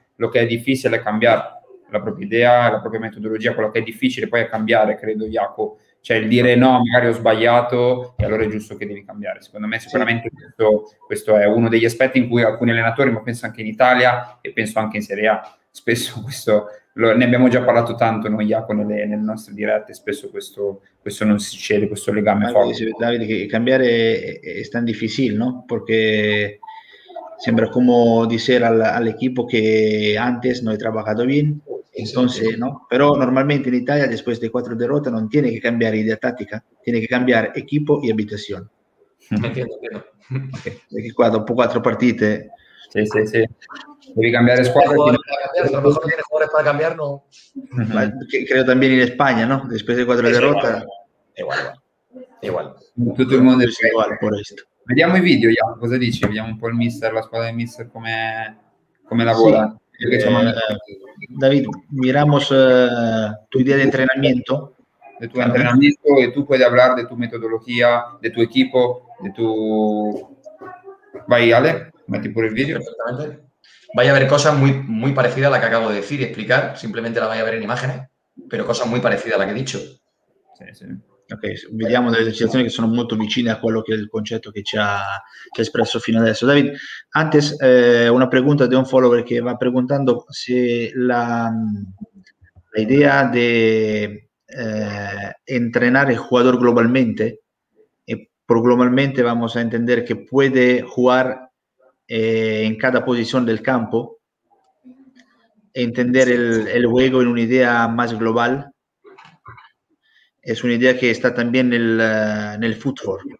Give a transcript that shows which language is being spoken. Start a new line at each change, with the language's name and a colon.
Spanish: Lo que es difícil es cambiar la propia idea, la propia metodología. Lo que es difícil poi es cambiar, creo, Jaco.
Italian: Cioè, el dire no, magari ho sbagliato, e allora è giusto che devi cambiare. Secondo me, sicuramente questo è uno degli aspetti in cui alcuni allenatori, ma penso anche in Italia e penso anche in Serie A, spesso questo ne abbiamo già parlato tanto noi, Jaco, nelle nostre dirette, spesso questo non succede, questo legame forte. Dice Davide che cambiare è tan difficile, no? Perché sembra come dire all'equipo che antes non hai lavorato bene, entonces, no? Però normalmente in Italia, dopo le 4 derrotas, non tiene che cambiare idea tattica, tiene che cambiare equipo e abitazione.
Spanish: Entiendo.
Italian: Perché qua dopo 4 partite... Sí. Devi cambiare squadra. Non viene
Spanish: jugadores para cambiar, no.
Italian: Ma credo también in Spagna, no?
Spanish: Después de 4 derrotas. Igual.
Italian: Tutto il mondo è uguale per questo. Vediamo i video, Jan, cosa dici? Vediamo un po' il mister, la squadra del mister, come lavora. Sì. David,
Spanish: miramos tu idea
Italian: di entrenamiento. Del tuo entrenamiento, e tu puoi parlare di tua metodologia, del tuo equipo, del tuo... Vai, Ale. Metti pure il video. Perfettamente.
Spanish: Vai a ver cosas muy, muy parecidas a la que acabo de decir y explicar. Simplemente la vai a ver en imágenes, pero cosas muy parecidas a la que he dicho. Sí.
Italian: Ok, vediamo delle situazioni che sono molto vicine a quello che è il concetto che ci ha espresso fino adesso.
Spanish: David, antes una pregunta di un follower che va preguntando se la idea di entrenare il jugador globalmente,
Italian: e per globalmente
Spanish: vamos a entender che puede jugar en cada posición del campo, entender el juego en una idea más global, es una idea que está también en el fútbol.